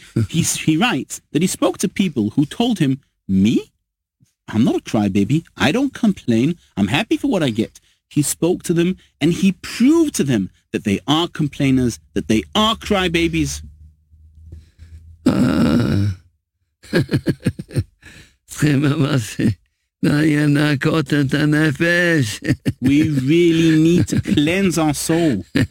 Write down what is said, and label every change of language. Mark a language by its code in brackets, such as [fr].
[en] He writes that he spoke to people who told him, me? I'm not a crybaby. I don't complain. I'm happy for what I get. He spoke to them and he proved to them that they are complainers, that they are crybabies. [he] צריכים ממש לנקות את הנפש. [en] We really need to cleanse our soul.